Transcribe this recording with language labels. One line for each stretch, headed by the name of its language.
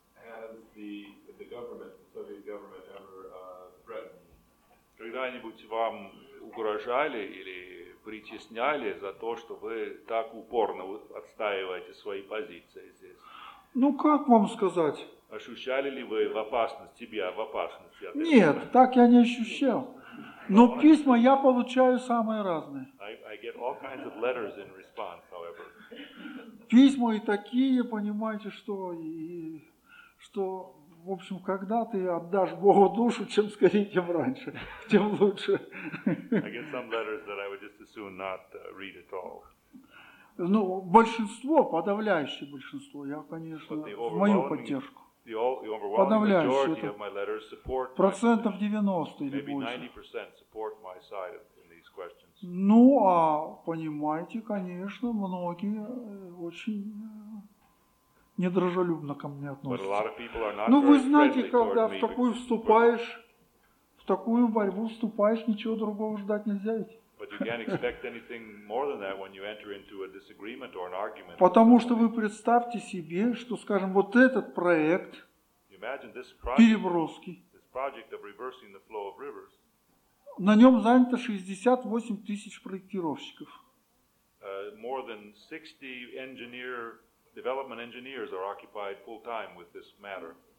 English: Has the government, the Soviet government, ever threatened?
Russian: Когда-нибудь вам угрожали или притесняли за то, что вы так упорно отстаиваете свои позиции здесь? Ну, как вам сказать? Ощущали ли вы в опасность, себя в опасности? Нет, так я не ощущал. Но письма я получаю самые разные.
English: I get all kinds of letters in response, however.
Russian: Письма и такие, понимаете, что, и, что, в общем, когда ты отдашь Богу душу, чем скорее, тем раньше, тем лучше.
English: I get some letters that I would just as soon not read at all.
Russian: Ну, большинство, подавляющее большинство, я, конечно, в мою поддержку. Подавляющее это
English: of my letters support
Russian: процентов 90 или больше.
English: Maybe 90% support my side in these questions.
Russian: Ну, а понимаете, конечно, многие очень недружелюбно ко мне относятся.
English: But a lot of people are not.
Russian: Ну, вы знаете, когда в такую вступаешь, в такую борьбу вступаешь, ничего другого ждать нельзя ведь.
English: But you can't expect anything more than that when you enter into a disagreement or an argument.
Russian: Потому что вы представьте себе, что, скажем, вот этот проект переброски,
English: this project of reversing the flow of rivers,
Russian: на нем занято 68 тысяч проектировщиков.
English: More than 60 engineer, development engineers are occupied full time with this matter.